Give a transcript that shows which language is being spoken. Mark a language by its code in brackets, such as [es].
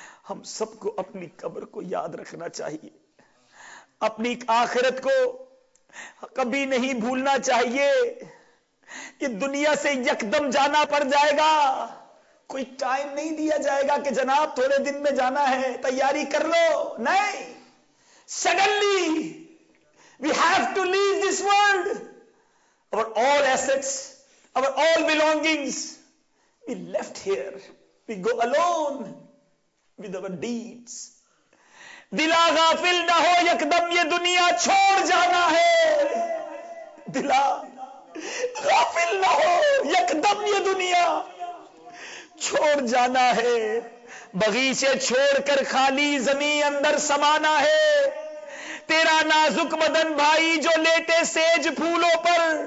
[ur] ہم سب کو اپنی قبر کو یاد رکھنا چاہیے، اپنی آخرت کو کبھی نہیں بھولنا چاہیے۔ یہ دنیا سے یکدم جانا پڑ جائے گا، کوئی ٹائم نہیں دیا جائے گا کہ جناب تھوڑے دن میں جانا ہے تیاری کر لو، نہیں، [en] suddenly we have to leave this world. Our all assets, our all belongings, we left here. We go alone with our deeds. [ur] دلا غافل نہ ہو یکدم یہ دنیا چھوڑ جانا ہے، دلا غافل نہ ہو یکدم یہ دنیا چھوڑ جانا ہے، بغیچے چھوڑ کر خالی زمین اندر سمانا ہے، تیرا نازک بدن بھائی جو لیٹے سیج پھولوں پر،